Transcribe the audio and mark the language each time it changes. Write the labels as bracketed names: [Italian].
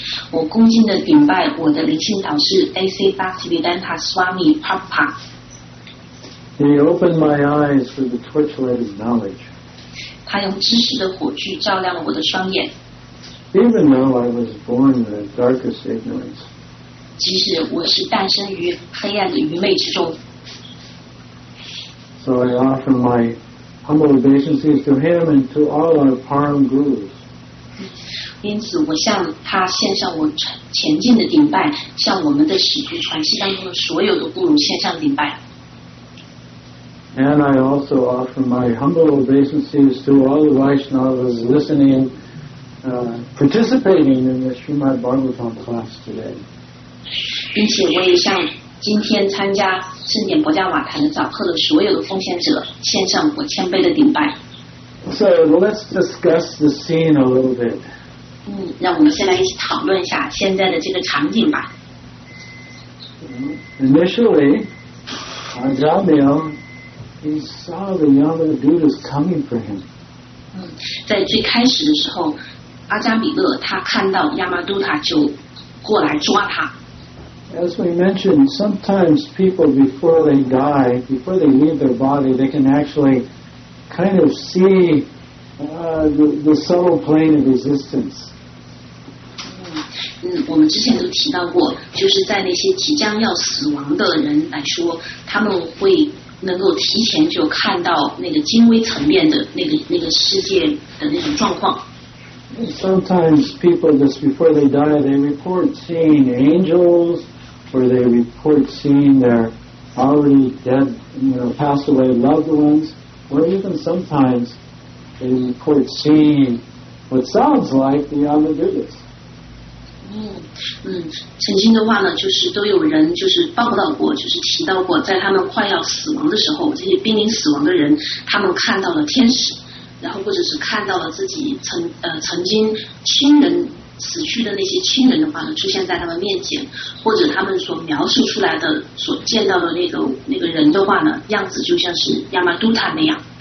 [Chinese] 我恭敬地顶拜我的灵性导师 A.C. Bhaktivedanta Swami Prabhupada. [English] He opened my eyes with the torchlight of knowledge. [Chinese] 他用知识的火炬照亮了我的双眼。 [English] Even though I was born in the darkest ignorance, [Chinese] 即使我是诞生于黑暗的愚昧之中 [English] So I offer my humble obeisances to him and to all our Param Gurus. [Chinese] 因此我向他献上我前进的顶拜向我们的使徒传世当中的所有的顾虑献上顶拜 [English] And I also offer my humble obeisances to all the Vaishnavas listening, participating in the Srimad Bhagavatam class today. [Chinese] 并且我也向今天参加盛典博加瓦坛的早课的所有的奉献者献上我谦卑的顶拜。 [English] So let's discuss the scene a little bit. [Chinese] 让我们先来一起讨论一下现在的这个场景吧。 [English] Initially, Ajamil, he saw the Yamadutas coming for him. [Chinese] 在最开始的时候，阿加米勒他看到亚麻都塔就过来抓他。 [English] As we mentioned, sometimes people before they die, before they leave their body, they can actually kind of see the subtle plane of existence. [Chinese] 我们之前都提到过，就是在那些即将要死亡的人来说，他们会能够提前就看到那个精微层面的那个世界的那种状况。 [English] Sometimes people just before they die, they report seeing angels. Or they report seeing their already dead, you know, passed away loved ones, or even sometimes they report seeing what sounds like the Yamadutas. [Chinese] 曾经的话呢，就是都有人就是报道过，就是提到过，在他们快要死亡的时候，这些濒临死亡的人，他们看到了天使，然后或者是看到了自己曾经亲人。死去的那些亲人的话呢，出现在他们面前，或者他们所描述出来的、所见到的那个人的话呢，样子就像是亚麻都塔那样。